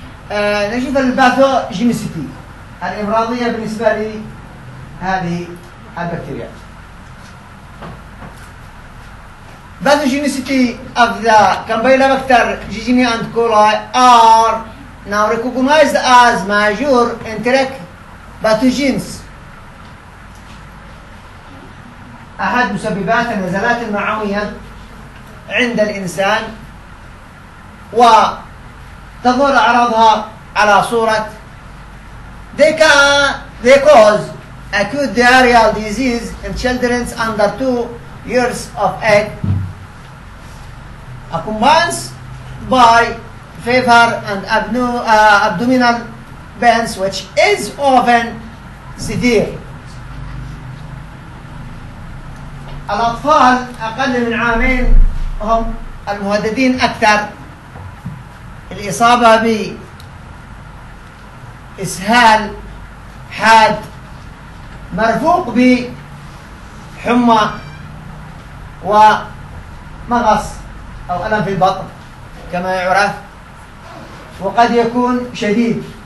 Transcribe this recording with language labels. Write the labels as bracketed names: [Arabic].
[Arabic] نشوف الباثوجينيسيتي الإمراضية بالنسبة لهذه البكتيريا. [English] Pathogenicity of the Campylobacter jejuni and coli are now recognized as major enteric pathogens. [Arabic] أحد مسببات النزلات المعوية عند الإنسان، وتظهر أعراضها على صورة [English] they cause acute diarrheal disease in children under 2 years of age, accompanied by fever and abdominal pains which is often severe. [Arabic] الأطفال أقل من عامين هم المهددين أكثر الإصابة بإسهال حاد مرفوق بحمى ومغص أو ألم في البطن كما يعرف، وقد يكون شديد